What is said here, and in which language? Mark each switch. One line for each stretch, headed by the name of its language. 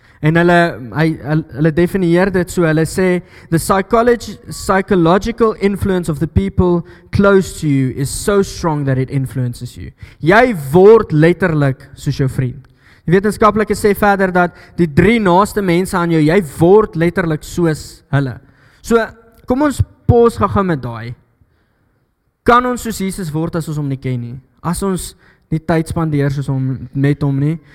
Afrikaans: En hulle definieer dit so, hulle sê,
English: the psychological influence of the people close to you is so strong that it influences you.
Afrikaans: Jy word letterlik soos jou vriend. Die wetenskaplike sê verder dat die drie naaste mense aan jou, jy word letterlik soos hulle. So, kom ons pause gaan met daai. Kan ons soos Jesus word as ons hom nie ken nie? As ons nie tyd spandeer soos hom met hom nie?